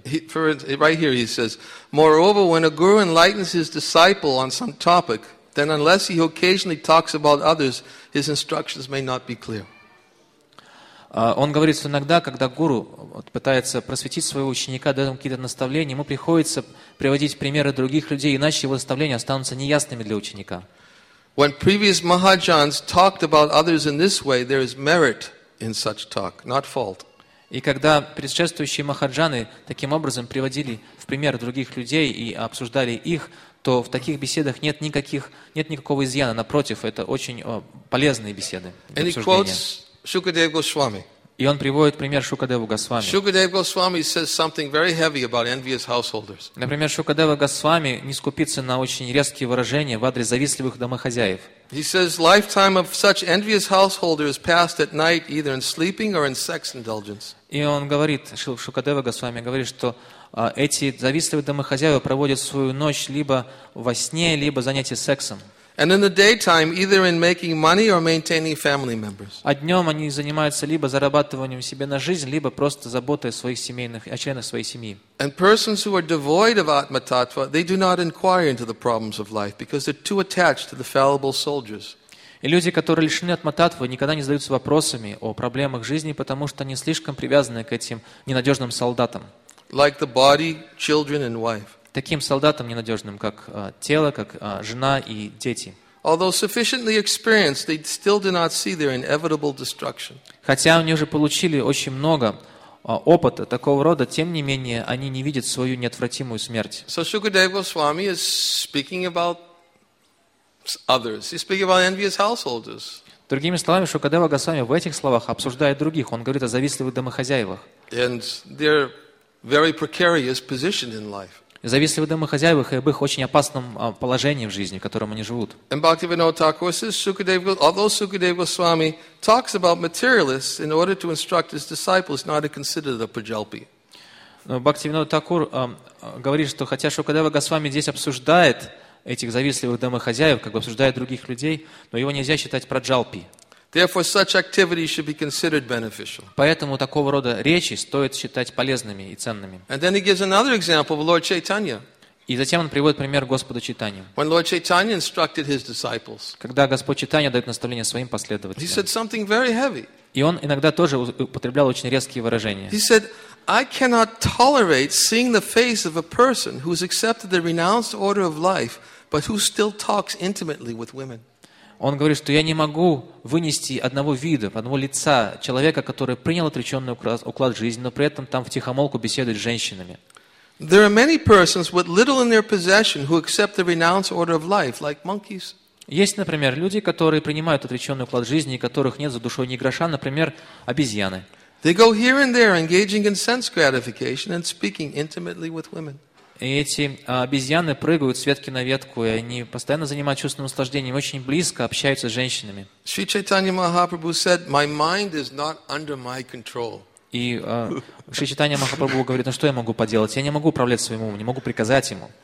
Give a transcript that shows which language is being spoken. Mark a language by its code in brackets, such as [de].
[en] Right here he says, moreover, when a guru enlightens his disciple on some topic, then unless he occasionally talks about others, his instructions may not be clear. [ru] Он говорит, что иногда, когда гуру пытается просветить своего ученика, дает ему какие-то наставления, ему приходится приводить примеры других людей, иначе его наставления останутся неясными для ученика. [en] When previous Mahajans talked about others in this way, there is merit in such talk, not fault. [ru] И когда предшествующие Махаджаны таким образом приводили в пример других людей и обсуждали их, то в таких беседах нет никакого изъяна. Напротив, это очень полезные беседы. [en] And he quotes Shukadeva Goswami. [ru] И он приводит пример Шукадева Госвами. [en] Shukadeva Goswami says something very heavy about envious householders. [ru] Например, Шукадева Госвами не скупится на очень резкие выражения в адрес завистливых домохозяев. [en] He says, lifetime of such envious householders passed at night either in sleeping or in sex indulgence. [ru] И он говорит, Шукадева Госвами говорит, что эти завистливые домохозяева проводят свою ночь либо во сне, либо занятия сексом. [en] And in the daytime, either in making money or maintaining family members. [ru] А днем они занимаются либо зарабатыванием себе на жизнь, либо просто заботой о своих семейных, о членах своей семьи. [en] And persons who are devoid of atmatattva, they do not inquire into the problems of life because they're too attached to the fallible soldiers. [ru] И люди, которые лишены атмататвы, никогда не задаются вопросами о проблемах жизни, потому что они слишком привязаны к этим ненадежным солдатам. [en] Like the body, children, and wife. [ru] Таким солдатам ненадежным, как тело, как жена и дети. [en] Although sufficiently experienced, they still do not see their inevitable destruction. [ru] Хотя они уже получили очень много опыта такого рода, тем не менее, они не видят свою неотвратимую смерть. [en] So Shukadeva Goswami is speaking about others. He's speaking about envious householders. [ru] Другими словами, Шукадева Госвами в этих словах обсуждает других. Он говорит о завистливых домохозяевах. [en] And their very precarious position in life. [ru] Зависливые домохозяева и об их очень опасном положении в жизни, в котором они живут. [en] Although Shukadeva Goswami talks about materialists in order to instruct his disciples not to consider the prajalpi. [ru] Бхактивинода Такур говорит, что хотя Шукадева Госвами здесь обсуждает этих завистливых домохозяев, как бы обсуждает других людей, но его нельзя считать праджалпи. [en] Therefore, such activity should be considered beneficial. [ru] Поэтому такого рода речи стоит считать полезными и ценными. [en] And then he gives another example of Lord Chaitanya. [ru] И затем он приводит пример Господа Чайтаньи. [en] When Lord Chaitanya instructed his disciples. [ru] Когда Господь Чайтанья дает наставление своим последователям. [en] He said something very heavy. [ru] И он иногда тоже употреблял очень резкие выражения. [en] He said, "I cannot tolerate seeing the face of a person who has accepted the renounced order of life, but who still talks intimately with women." [ru] Он говорит, что я не могу вынести одного вида, одного лица человека, который принял отреченный уклад жизни, но при этом там втихомолку беседует с женщинами. [en] There are many persons with little in their possession who accept the renounced order of life, like monkeys. [ru] Есть, например, люди, которые принимают отреченный уклад жизни, и которых нет за душой ни гроша, например, обезьяны. [en] They go here and there, engaging in sense gratification and speaking intimately with women. [ru] И эти обезьяны прыгают с ветки на ветку, и они постоянно занимаются чувственным наслаждением, очень близко общаются с женщинами. [en] Шри Чайтанья Махапрабху said, "My mind is not under my control." [ru] И Шри Чайтанья Махапрабху говорит, ну что я могу поделать? Я не могу управлять своим умом, не могу приказать ему.